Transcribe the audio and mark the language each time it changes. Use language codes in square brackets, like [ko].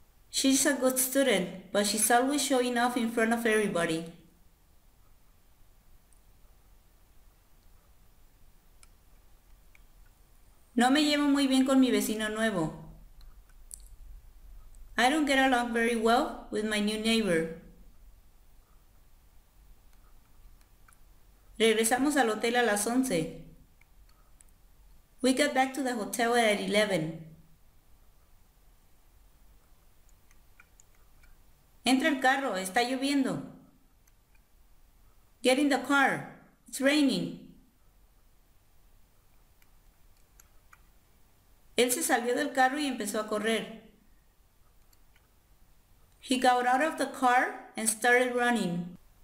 [en] She's a good student, but she's always showing off in front of everybody. [es] No me llevo muy bien con mi vecino nuevo. [en] I don't get along very well with my new neighbor. [es] Regresamos al hotel a las 11. [en] We got back to the hotel at 11. [es] Entra el carro, está lloviendo. [en] Get in the car, it's raining. [es] Él se salió del carro y empezó a correr. [en] He got out of the car and started running.